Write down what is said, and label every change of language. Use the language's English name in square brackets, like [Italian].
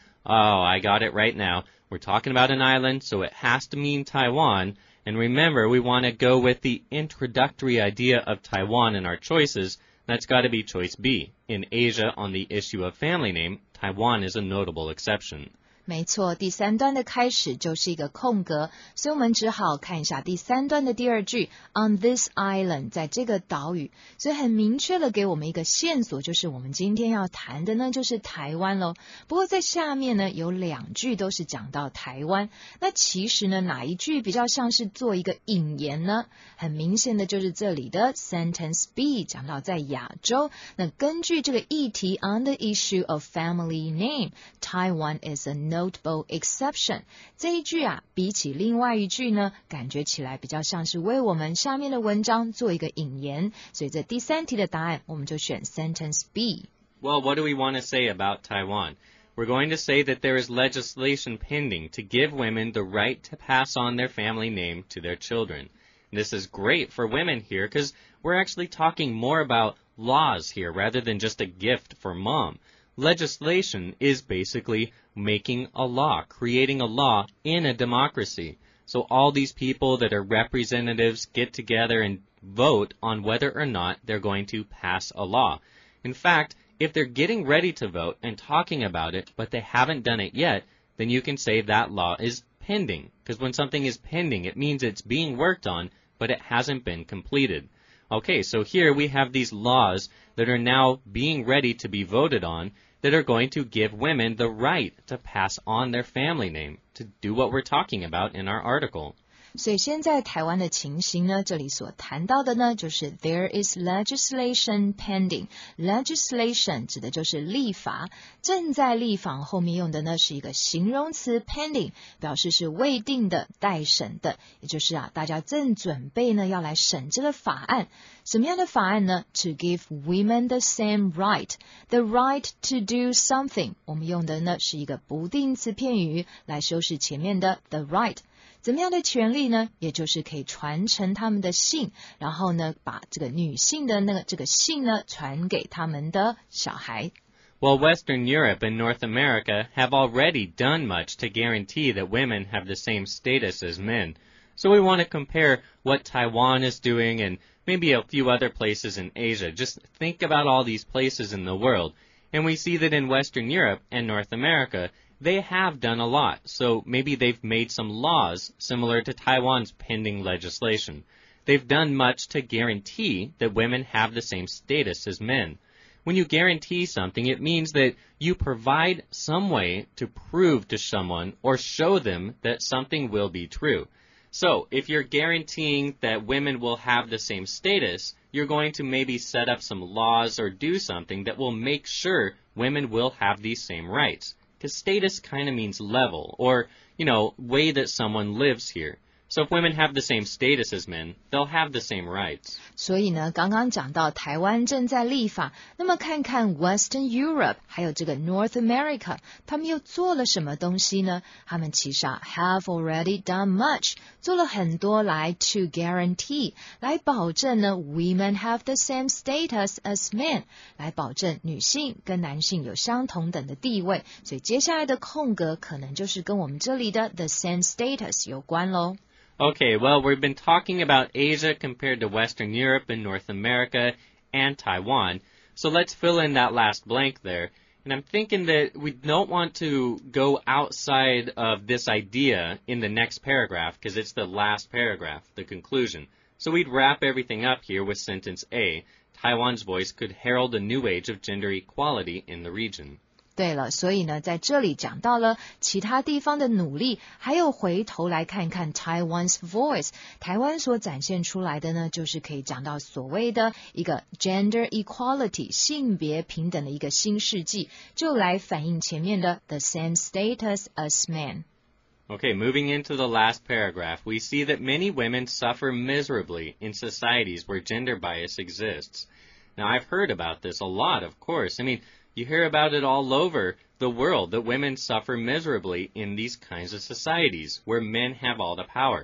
[English] Oh, I got it right now. We're talking about an island, so it has to mean Taiwan. And remember, we want to go with the introductory idea of Taiwan in our choices. That's got to be choice B. In Asia, on the issue of family name, Taiwan is a notable exception. [Chinese] 没错第三段的开始就是一个空格所以我们只好看一下第三段的第二句 [English] On this island [Chinese] 在这个岛屿所以很明确的给我们一个线索就是我们今天要谈的呢就是台湾咯不过在下面呢有两句都是讲到台湾那其实呢哪一句比较像是做一个引言呢很明显的就是这里的 Sentence B 讲到在亚洲那根据这个议题 [English] On the issue of family name Taiwan is a notable exception [Chinese] 这一句啊比起另外一句呢感觉起来比较像是为我们下面的文章做一个引言所以这第三题的答案我们就选 sentence B [English] Well, what do we want to say about Taiwan? We're going to say that there is legislation pending to give women the right to pass on their family name to their children. This is great for women here because we're actually talking more about laws here rather than just a gift for mom. Legislation is basically... making a law, creating a law in a democracy. So all these people that are representatives get together and vote on whether or not they're going to pass a law. In fact, if they're getting ready to vote and talking about it, but they haven't done it yet, then you can say that law is pending. Because when something is pending, it means it's being worked on, but it hasn't been completed. Okay, so here we have these laws that are now being ready to be voted on. that are going to give women the right to pass on their family name to do what we're talking about in our article. [Chinese] 所以现在台湾的情形呢，这里所谈到的呢，就是 [English] there is legislation pending. [Chinese] Legislation 指的就是立法，正在立法后面用的呢是一个形容词 pending， 表示是未定的、待审的，也就是啊，大家正准备呢要来审这个法案。什么样的法案呢 ？ [English] To give women the same right, the right to do something. [Chinese] 我们用的呢是一个不定词片语来修饰前面的 [English] the right。 [Chinese] 怎么样的权利呢？也就是可以传承他们的姓，然后呢，把这个女性的那个这个姓呢，传给他们的小孩。 [English] Well, Western Europe and North America have already done much to guarantee that women have the same status as men. So we want to compare what Taiwan is doing and maybe a few other places in Asia. Just think about all these places in the world. And we see that in Western Europe and North America,They have done a lot, so maybe they've made some laws similar to Taiwan's pending legislation. They've done much to guarantee that women have the same status as men. When you guarantee something, it means that you provide some way to prove to someone or show them that something will be true. So, if you're guaranteeing that women will have the same status, you're going to maybe set up some laws or do something that will make sure women will have these same rights. Because status kind of means level, or, you know, way that someone lives here. So if women have the same status as men, they'll have the same rights. [Chinese] 所以呢，刚刚讲到台湾正在立法，那么看看 Western Europe, 还有这个 North America, 他们又做了什么东西呢？他们其实啊 [English] have already done much, [Chinese] 做了很多来 [English] to guarantee, [Chinese] 来保证呢 [English] women have the same status as men, [Chinese] 来保证女性跟男性有相同等的地位。所以接下来的空格可能就是跟我们这里的 [English] the same status [Chinese] 有关咯。 [English] Okay, well, we've been talking about Asia compared to Western Europe and North America and Taiwan, so let's fill in that last blank there. And I'm thinking that we don't want to go outside of this idea in the next paragraph, because it's the last paragraph, the conclusion. So we'd wrap everything up here with sentence A, Taiwan's voice could herald a new age of gender equality in the region. [Chinese] 对了，所以呢，在这里讲到了其他地方的努力，还有回头来看看 [English] Taiwan's voice， [Chinese] 台湾所展现出来的呢，就是可以讲到所谓的一个 gender equality， 性别平等的一个新世纪，就来反映前面的 [English] the same status as men。 Okay, moving into the last paragraph, we see that many women suffer miserably in societies where gender bias exists. Now, I've heard about this a lot, of course. I mean,You hear about it all over the world that women suffer miserably in these kinds of societies where men have all the power.